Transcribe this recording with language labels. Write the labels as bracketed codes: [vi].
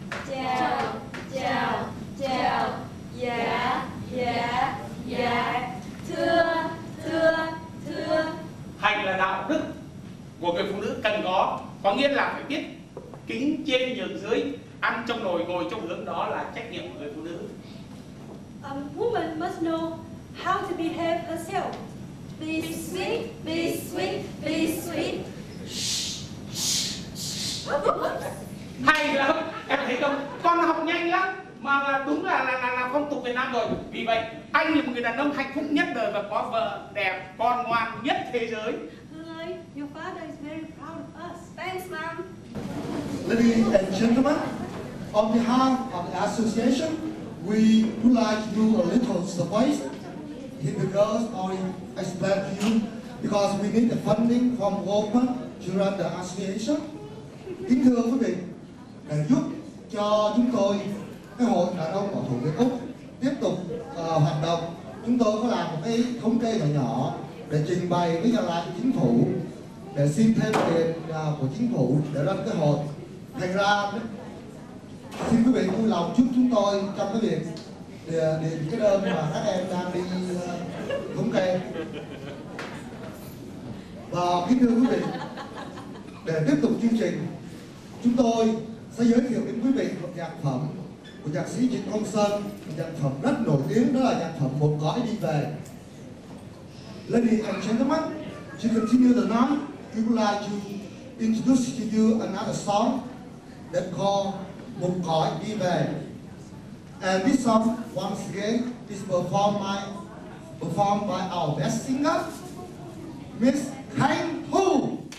[vi] Chào, chào, chào, dạ, dạ, dạ, thưa, thưa, thưa. Hạnh là đạo đức của người phụ nữ cần có nghĩa là phải biết kính trên nhường dưới, ăn trong nồi ngồi trong hướng, đó là trách nhiệm của người phụ nữ. [en] A woman must know how to behave herself. Be sweet, be sweet, be sweet. [vi] Hay lắm, em thấy không? Con học nhanh lắm, mà đúng là phong tục Việt Nam rồi. Vì vậy, anh là một người đàn ông hạnh phúc nhất đời và có vợ đẹp, con ngoan nhất thế giới. [en] Your father is very proud of us. Thanks, ma'am. Ladies and gentlemen, on behalf of the association, we would like to do a little surprise. Keep the girls all in expect you, because we need the funding from Open to run the association. [vi] Kính thưa quý vị, để giúp cho chúng tôi, cái hội đàn ông bảo thủ Việt Úc tiếp tục hoạt động, chúng tôi có làm một cái thống kê nhỏ để trình bày với nhà lãnh chính phủ, để xin thêm tiền của chính phủ để run cái hội. Thành ra xin quý vị vui lòng giúp chúng tôi trong cái việc điền cái đơn mà các em đang đi thống kê. Và kính thưa quý vị, để tiếp tục chương trình, chúng tôi sẽ giới thiệu đến quý vị một nhạc phẩm của nhạc sĩ Trịnh Công Sơn, một nhạc phẩm rất nổi tiếng, đó là nhạc phẩm Một Gói Đi Về. [en] ladies and gentlemen, to continue the night, we would like to introduce to you another song that called Một Cõi Đi Về. And this song, once again, is performed by our best singer, Miss Khánh Thu.